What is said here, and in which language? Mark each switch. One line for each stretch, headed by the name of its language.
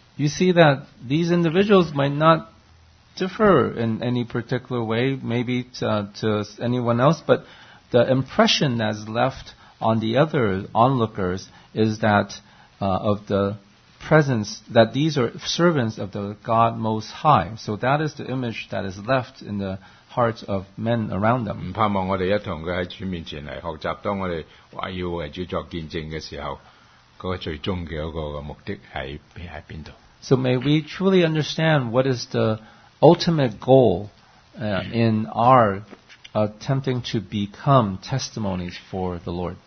English: You see that these individuals might not differ in any particular way, maybe to anyone else, but the impression that's left on the other onlookers is that of the presence, that these are servants of the God Most High. So that is the image that is left in the hearts of men around them.
Chinese: 不盼望我们一同在主面前来学习，当我们说要为主作见证的时候，那个最终的那个目的在哪里？
English: So may we truly understand what is the ultimate goal in our attempting to become testimonies for the Lord.